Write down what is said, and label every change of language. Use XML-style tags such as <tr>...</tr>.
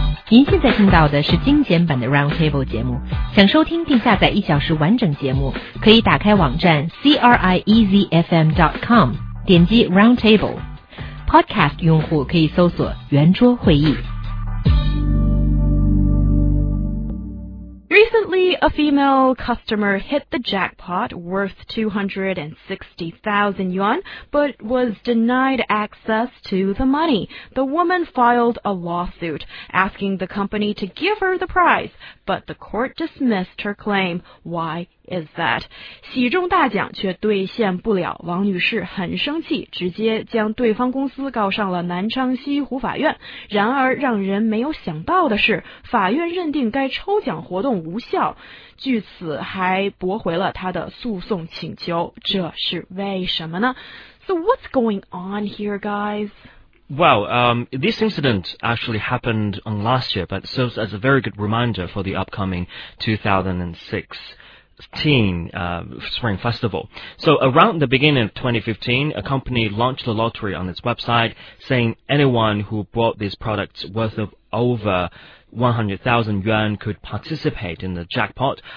<zh>您现在听到的是精简版的 Roundtable 节目，想收听并下载一小时完整节目，可以打开网站 CRIEZFM.com 点击 Roundtable。 Podcast 用户可以搜索圆桌会议。</zh> <en>Recently, a female customer hit the jackpot worth 260,000 yuan, but was denied access to the money. The woman filed a lawsuit, asking the company to give her the prize, but the court dismissed her claim. Why is that?</en> <zh>喜中大奖却兑现不了，王女士很生气，直接将对方公司告上了南昌西湖法院。然而让人没有想到的是，法院认定该抽奖活动无效，据此还驳回了她的诉讼请求。这是为什么呢？</zh> <en>So what's going on here, guys? Well, this incident actually happened on last year, but serves as a very good reminder for the upcoming 2016 Spring Festival. So around the beginning of 2015, a company launched a lottery on its website, saying anyone who bought these products worth of over 100,000 yuan could participate in the jackpot.</en>